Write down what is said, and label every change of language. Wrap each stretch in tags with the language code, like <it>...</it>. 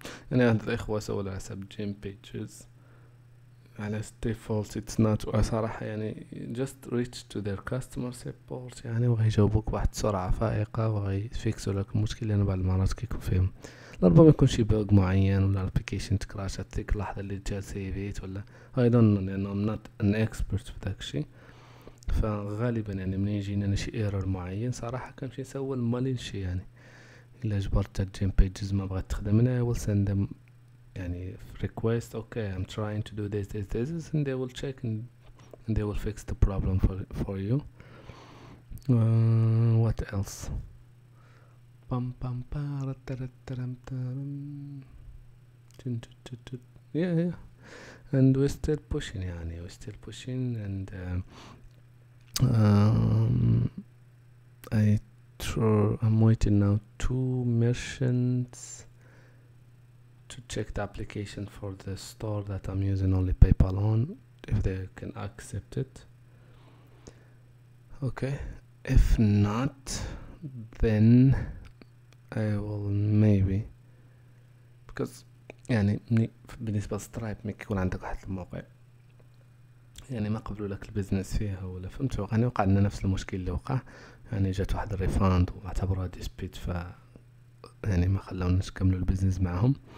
<ar>يعني هاد الإخوة سووا على حساب جيم بيتشز على ديفولت</ar> <en>it's not,</en> <ar>وصراحة يعني</ar> <en>just reach to their customer support,</en> <ar>يعني وغيجاوبوك بواحد السرعة فائقة وغيفيكسو لك المشكل. لأن بعض المرات كيكون فيهم ربما يكون شي بوغ معين ولا الابليكيشن تكراش هاديك اللحظة اللي جا سيفيت ولا</ar> <en>I don't know,</en> <ar>لأن</ar> <en>I'm not an expert</en> <ar>في داك الشي. فغالبا يعني منين يجينا شي ايرور معين صراحة كنمشي نسول مالين شي, يعني إلا جبرت الجيم بيجز ما بغيت تخدم منها</ar> <en>I will send them يعني request, okay I'm trying to do this this this, and they will check and they will fix the problem for you. What else? Pam pam pa ra ta ra ta ram ta ram. Yeah, yeah. And we're still pushing يعني, we're still pushing. And I'm waiting now two merchants to check the application for the store that I'm using only PayPal on, if they can accept it. Okay, if not, then I will maybe, because</en> <ar>يعني بالنسبة Stripe ميك يكون عندك واحد الموقع يعني ما قبلوا لك البزنس فيها ولا فهمت, يعني وقع لنا نفس المشكلة اللي وقع, يعني جات واحد الريفاند واعتبروها ديسبيت, ف يعني ما خلوناش نكملوا البيزنس معهم.</ar>